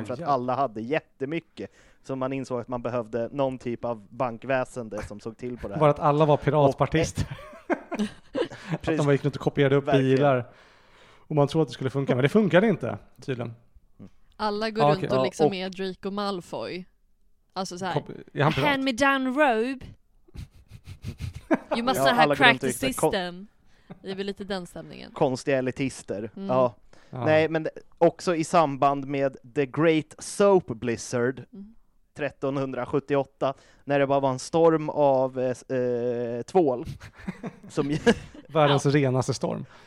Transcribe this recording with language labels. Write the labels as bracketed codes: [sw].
[sv] Oh, för att alla hade jättemycket. Så man insåg att man behövde någon typ av bankväsende som såg till på det här. Bara att alla var piratpartister. Att de gick runt och kopierade upp bilar. Och man trodde att det skulle funka, men det funkade inte, tydligen. Alla går runt och liksom är Draco Malfoy. Alltså så här, [en] hand me down robe. You must have cracked the system. [sv] Det är väl lite den stämningen. Konstiga elitister. Mm. Ja. Ah. Nej, men också i samband med The Great Soap Blizzard 1378, när det bara var en storm av tvål. Som, världens renaste storm.